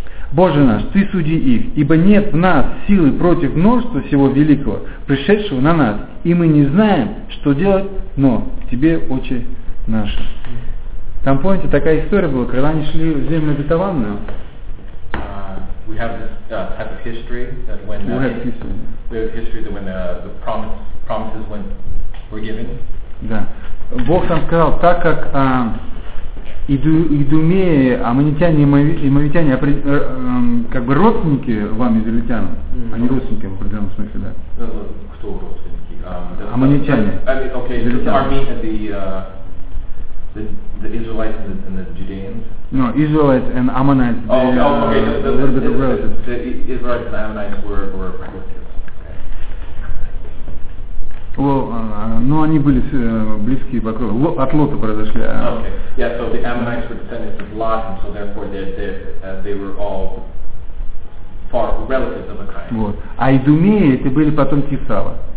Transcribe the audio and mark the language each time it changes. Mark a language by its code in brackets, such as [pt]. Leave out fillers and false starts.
[ru] Боже наш, ты суди их, ибо нет в нас силы против множества всего великого, пришедшего на нас, и мы не знаем, что делать, но тебе очи наши. Там, помните, такая история была, когда они шли в землю обетованную. [en] We have this type of history that when the promises were given. [ru] Да. Бог там сказал, так как идумеи, аммонитяне и моавитяне как бы родственники вам, израильтянам, mm-hmm. они родственники в определенном смысле, да. Кто родственники? Аммонитяне. [en] The Israelites and the Judeans? No, Israelites and Ammonites. The Ammonites were descendants of Lot, and so therefore they were all far relatives of a kind. [ru] Вот. А идумеи это были потомки Исава.